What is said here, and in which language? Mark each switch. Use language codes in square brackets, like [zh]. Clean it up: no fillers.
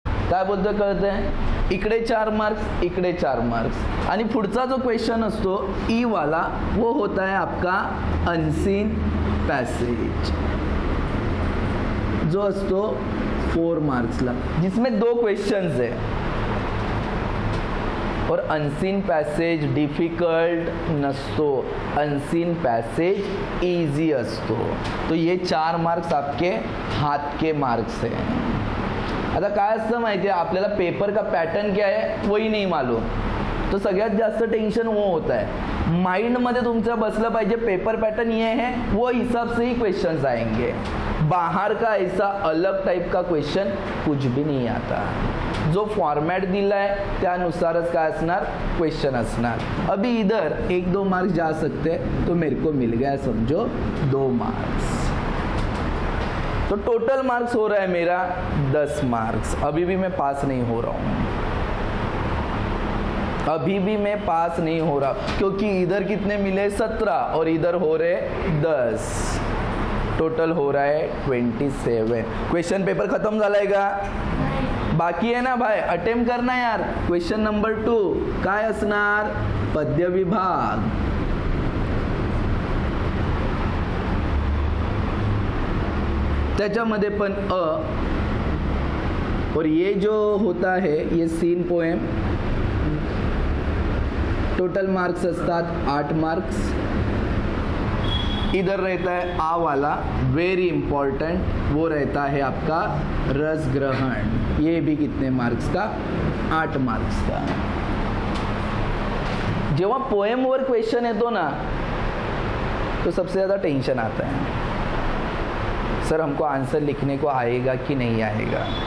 [mr] काय बोलतो कळतंय, इकडे 4 marks इकडे 4 marks आणि पुढचा जो क्वेश्चन असतो ई वाला [hi] वो होता है आपका [mr] अनसीन पॅसेज जो असतो 4 marksला [hi] जिसमें 2 questions है और [mr] अनसीन पॅसेज डिफिकल्ट नसतो, अनसीन पॅसेज इजी असतो। [hi] तो ये 4 marks आपके हाथ के मार्क्स है। [mr] आता काय असतं माहिती आहे, आपल्याला पेपर का पॅटर्न काय आहे वही नाही मालूम, तो सगळ्यात जास्त टेन्शन वो होत आहे। माइंडमध्ये तुमचं बसलं पाहिजे [hi] पेपर पॅटर्न ये है, वो हिसाब से ही क्वेश्चन्स आएंगे, बाहर का ऐसा अलग टाइप का क्वेश्चन कुछ भी नहीं आता। [mr] जो फॉर्मॅट दिला आहे त्यानुसारच काय असणार क्वेश्चन असणार। [hi] अभी इधर 1-2 marks जा सकते तो मेरे को मिल गया समझो 2 marks, तो टोटल मार्क्स हो रहा है मेरा 10 marks। अभी भी मैं पास नहीं हो रहा हूँ, अभी भी मैं पास नहीं हो रहा क्योंकि इधर कितने मिले 17 और इधर हो रहे 10, टोटल हो रहा है 27। [mr] क्वेश्चन पेपर खत्म झाला आहे का, [hi] बाकी है ना भाई, अटेम्प्ट करना यार। [mr] क्वेश्चन नंबर 2 काय असणार, पद्य विभाग। त्याच्यामध्ये पण [hi] अ और ये जो होता है ये सीन पोएम, [mr] टोटल मार्क्स असतात 8 marks। [hi] इधर रहता है आ वाला वेरी इम्पॉर्टेंट, वो रहता है आपका रस ग्रहण, ये भी कितने मार्क्स का, 8 marks का। [mr] जेव्हा पोएम वर क्वेश्चन येतो ना [hi] तो सबसे ज़्यादा टेंशन आता है, सर हमको आंसर लिखने को आएगा कि नहीं आएगा।